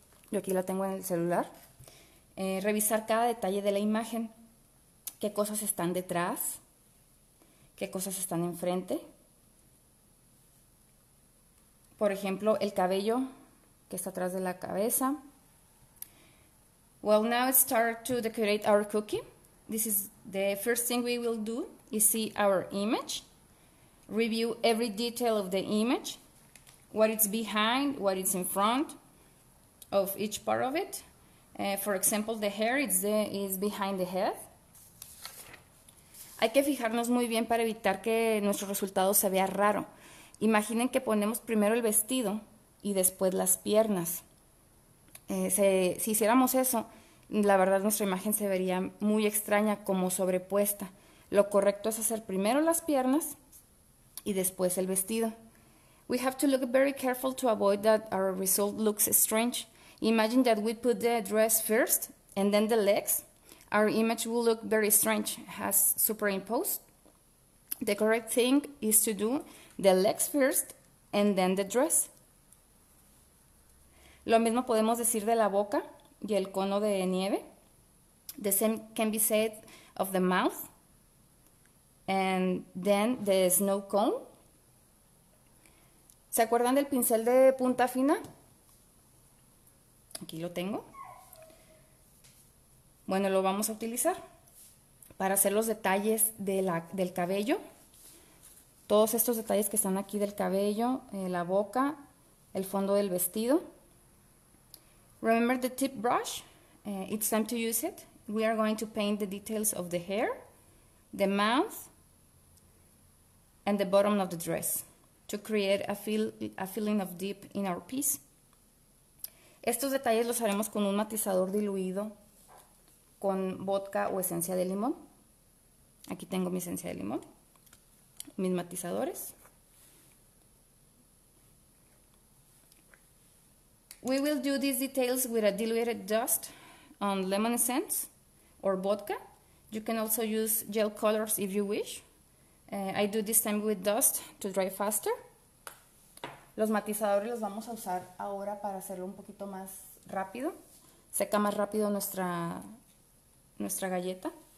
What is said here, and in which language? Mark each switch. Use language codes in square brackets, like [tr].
[es] Yo aquí la tengo en el celular. Revisar cada detalle de la imagen, qué cosas están detrás, qué cosas están enfrente. Por ejemplo, el cabello que está atrás de la cabeza. [en] Well, now it's time to decorate our cookie. This is the first thing we will do. You see our image, review every detail of the image, what it's behind, what it's in front of each part of it. For example, the hair is behind the head. [es] Hay que fijarnos muy bien para evitar que nuestro resultado se vea raro. Imaginen que ponemos primero el vestido y después las piernas. Si hiciéramos eso, la verdad nuestra imagen se vería muy extraña como sobrepuesta. Lo correcto es hacer primero las piernas y después el vestido. [en] We have to look very careful to avoid that our result looks strange. Imagine that we put the dress first and then the legs. Our image will look very strange, has superimposed. The correct thing is to do the legs first and then the dress. [es] Lo mismo podemos decir de la boca y el cono de nieve. [en] The same can be said of the mouth and then the snow cone. [es] ¿Se acuerdan del pincel de punta fina? Aquí lo tengo. Bueno, lo vamos a utilizar para hacer los detalles del cabello. Todos estos detalles que están aquí del cabello, la boca, el fondo del vestido. [en] Remember the tip brush? It's time to use it. We are going to paint the details of the hair, the mouth, and the bottom of the dress to create a feeling of deep in our piece. [es] Estos detalles los haremos con un matizador diluido con vodka o esencia de limón. Aquí tengo mi esencia de limón, mis matizadores. [en] We will do these details with a diluted dust on lemon essence or vodka. You can also use gel colors if you wish. I do this time with dust to dry faster. [es] Los matizadores los vamos a usar ahora para hacerlo un poquito más rápido. Seca más rápido nuestra galleta.